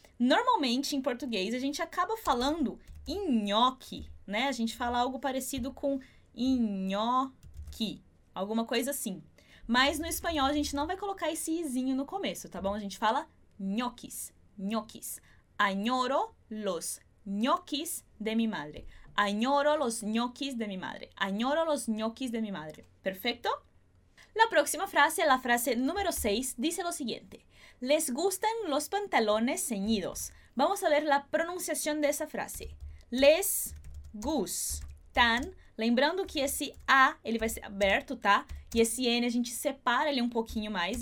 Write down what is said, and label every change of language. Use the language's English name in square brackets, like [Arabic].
[Portuguese] Normalmente, em português, a gente acaba falando nhoque, né? A gente fala algo parecido com nhoque, alguma coisa assim. Mas no espanhol a gente não vai colocar esse izinho no começo, tá bom? A gente fala nhoques, nhoques. [Spanish] Añoro los ñoquis de mi madre. Añoro los ñoquis de mi madre. Añoro los ñoquis de mi madre. ¿Perfecto? La próxima frase, la frase número 6, dice lo siguiente. Les gustan los pantalones ceñidos. Vamos a ver la pronunciación de esa frase. Les gustan. [Portuguese] Lembrando que esse A, ele vai ser aberto, tá? E esse N a gente separa ele um pouquinho mais.